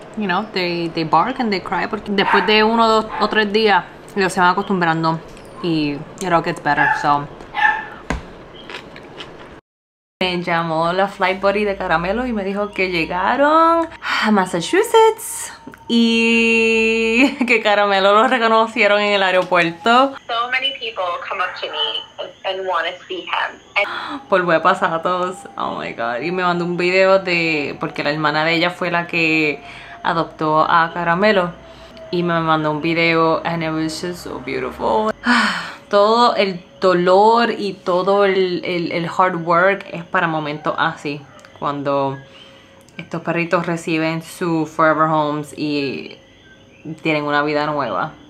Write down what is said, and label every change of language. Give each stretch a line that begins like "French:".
Spanish: You know, they bark and they cry porque después de uno, dos o tres días ellos se van acostumbrando y it all gets better, so. Me llamó la flight buddy de Caramelo y me dijo que llegaron a Massachusetts y que Caramelo lo reconocieron en el aeropuerto.
English: So many people come up to me and want to see him.
Spanish: Por web pasados, oh my god. Y me mandó un video de, porque la hermana de ella fue la que adoptó a Caramelo y me mandó un video and it was just so beautiful. Todo el dolor y todo el hard work es para momentos así, cuando estos perritos reciben su forever homes y tienen una vida nueva.